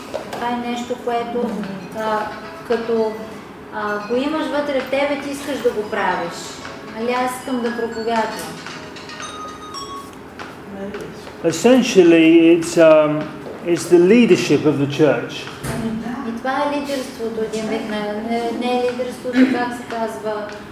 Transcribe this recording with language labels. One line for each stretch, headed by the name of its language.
Bulgarian: Това е нещо, което като го имаш вътре в тебе, ти искаш да го правиш. Али аз искам да проповядвам.
English: Essentially, it's the leadership of the church.
Bulgarian: И това е лидерството, един вид на... Не е лидерството, как се казва...